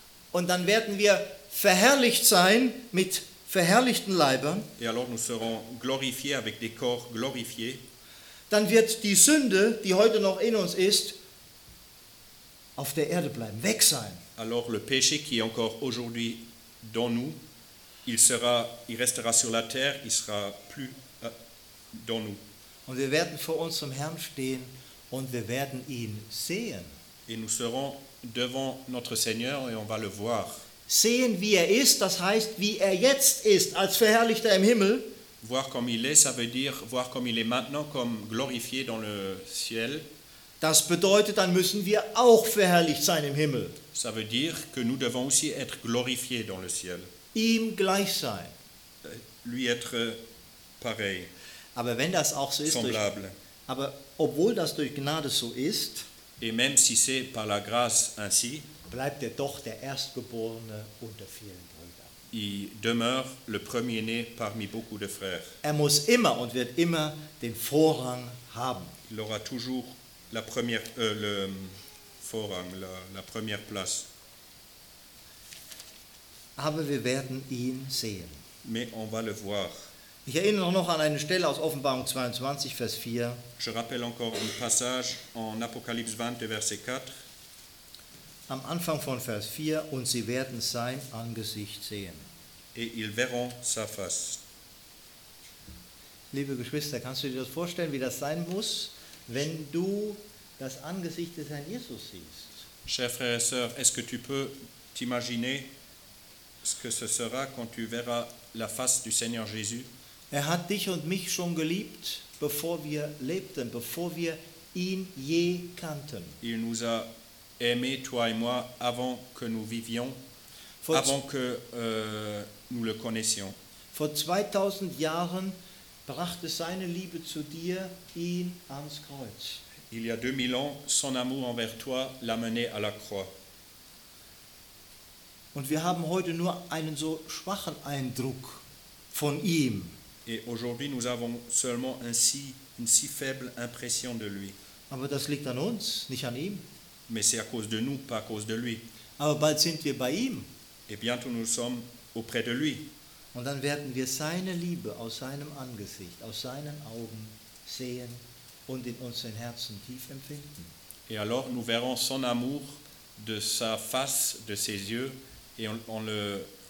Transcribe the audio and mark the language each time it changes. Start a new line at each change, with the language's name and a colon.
German: Und dann werden wir verherrlicht sein mit verherrlichten Leibern.
French: Et alors nous serons glorifiés avec des corps glorifiés.
German: Dann wird die Sünde, die heute noch in uns ist, auf der Erde bleiben, weg sein.
French: Alors le péché qui est encore aujourd'hui dans nous, il restera sur la terre, il sera plus dans nous.
German: Und wir werden vor unserem Herrn stehen und wir werden ihn sehen.
French: Et nous serons devant notre Seigneur et on va le voir.
German: Sehen, wie er ist, das heißt, wie er jetzt ist, als Verherrlichter im Himmel.
French: Voir comme il est, ça veut dire voir comme il est maintenant, comme glorifié dans le ciel.
German: Das bedeutet, dann müssen wir auch verherrlicht sein im Himmel.
French: Ça veut dire que nous devons aussi être glorifiés dans le ciel.
German: Ihm gleich sein.
French: Lui être pareil.
German: Aber wenn das auch so ist,
French: semblable.
German: Aber obwohl das durch Gnade so ist,
French: et même si c'est par la grâce ainsi,
German: bleibt er doch der Erstgeborene unter vielen Brüdern.
French: Il demeure le premier-né parmi beaucoup de frères.
German: Er muss immer und wird immer den Vorrang haben.
French: Il aura toujours la première, le
German: Vorrang,
French: la première place.
German: Aber wir werden ihn sehen.
French: Mais on va le voir.
German: Ich erinnere noch an eine Stelle aus Offenbarung 22, Vers 4.
French: Je rappelle encore un passage en Apocalypse 22, Verset 4.
German: Am Anfang von Vers 4, und sie werden sein Angesicht sehen.
French: Et ils verront sa face.
German: Liebe Geschwister, kannst du dir das vorstellen, wie das sein muss, wenn du das Angesicht des Herrn Jesus siehst?
French: Chers frères et sœurs, est-ce que tu peux t'imaginer ce que ce sera quand tu verras la face du Seigneur Jésus?
German: Er hat dich und mich schon geliebt, bevor wir lebten, bevor wir ihn je kannten.
French: Il nous a aimé, toi et moi, avant que nous vivions, avant que nous le connaissions.
German: Vor 2000 Jahren brachte seine Liebe zu dir ihn ans Kreuz.
French: Il y a 2000 ans, son amour envers toi l'a mené à la croix.
German: Und wir haben heute nur einen so schwachen Eindruck von ihm.
French: Et aujourd'hui, nous avons seulement une si faible impression de lui.
German: Aber das liegt an uns, nicht an ihm.
French: Mais c'est à cause de nous, pas à cause de lui.
German: Aber bald sind wir bei ihm.
French: Et bientôt, nous sommes auprès de lui.
German: Und dann werden wir seine Liebe aus seinem Angesicht, aus seinen Augen sehen und in unseren Herzen tief empfinden.
French: Et alors, nous verrons son amour de sa face, de ses yeux, et on le